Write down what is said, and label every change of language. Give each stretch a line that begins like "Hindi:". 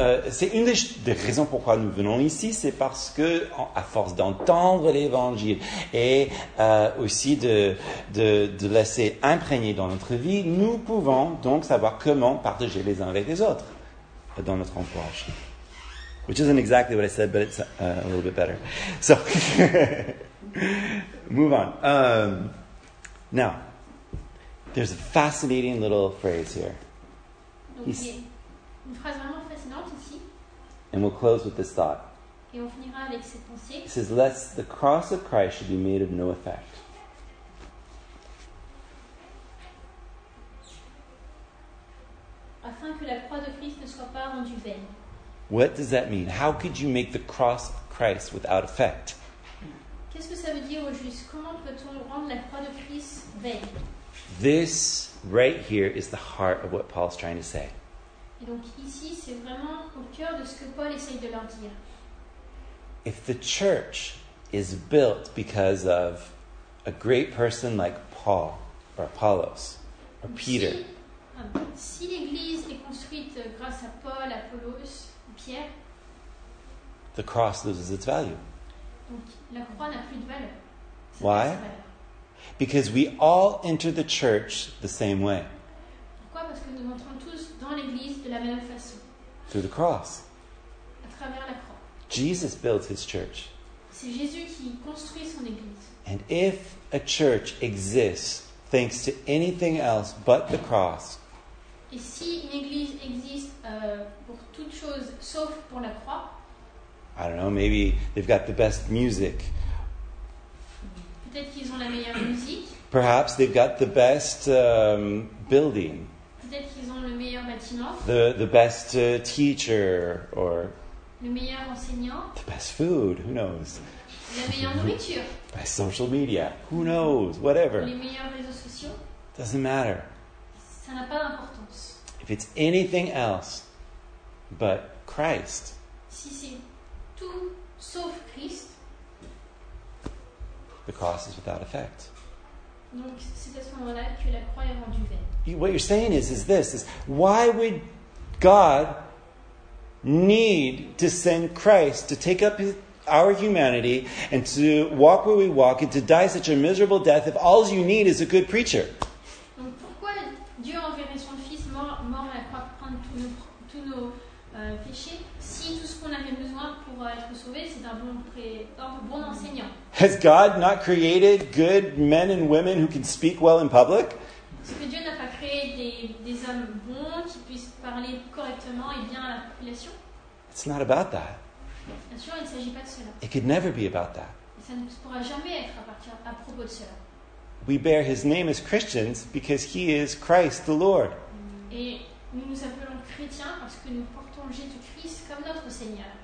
French: C'est une des raisons pourquoi nous venons ici, c'est parce que, à force d'entendre l'Évangile et aussi de laisser imprégner dans notre vie, nous pouvons donc savoir comment partager les uns avec les autres dans notre entourage.
English: Which isn't exactly what I said, but it's a little bit better. So, move on. Now. There's a fascinating little phrase here.
French: Donc, il y a une phrase vraiment fascinante ici.
English: And we'll close with this thought.
French: Et on finira avec cette pensée.
English: It says, lest the cross of Christ should be made of no effect.
French: Afin que la croix de Christ ne soit pas rendue vaine.
English: What does that mean? How could you make the cross of Christ without effect?
French: Qu'est-ce que ça veut dire au juste? Comment peut-on rendre la croix de Christ vaine?
English: This right here is the heart of what Paul's trying to say.
French: Et donc ici, c'est vraiment au cœur de ce que Paul essaye de leur dire.
English: If the church is built because of a great person like Paul or Apollos or Peter.
French: Si l'église est construite grâce à Paul, Apollos ou Pierre.
English: The cross loses its value.
French: Donc la croix n'a plus de valeur.
English: Why? Because we all enter the church the same way.
French: Pourquoi? Parce que nous entrons tous dans l'église de la même façon.
English: Through the cross.
French: À travers la croix.
English: Jesus builds his church.
French: C'est Jésus qui construit son église.
English: And if a church exists thanks to anything else but the cross.
French: Et si une église existe pour toute chose sauf pour la croix.
English: I don't know, maybe they've got the best music.
French: Peut-être qu'ils ont la meilleure musique.
English: Perhaps they've got the best building.
French: Peut-être qu'ils ont le meilleur bâtiment.
English: The best teacher or
French: le meilleur enseignant.
English: The best food, who knows?
French: La meilleure nourriture.
English: By social media, who knows, whatever.
French: Les meilleurs réseaux sociaux.
English: Doesn't matter.
French: Ça n'a pas d'importance.
English: If it's anything else but Christ.
French: Si c'est tout sauf Christ.
English: The cross is without effect.
French: Donc c'est à ce moment-là que la croix est rendue vaine.
English: What you're saying is this, is why would God need to send Christ to take up our humanity and to walk where we walk and to die such a miserable death if all you need is a good preacher?
French: Donc pourquoi Dieu enverrait son fils mort à la croix pour prendre tous nos péchés si tout ce qu'on avait besoin pour être sauvé c'est d'un bon enseignant?
English: Has God not created good men and women who can speak well in public?
French: Est-ce que Dieu n'a pas créé des hommes bons qui puissent parler correctement et bien à la population?
English: It's not about that.
French: Bien sûr, il ne s'agit pas de cela.
English: It could never be about that.
French: Ça ne pourra jamais être à propos de cela.
English: We bear his name as Christians because he is Christ the Lord.
French: Et nous nous appelons chrétiens parce que nous portons Jésus-Christ comme notre Seigneur.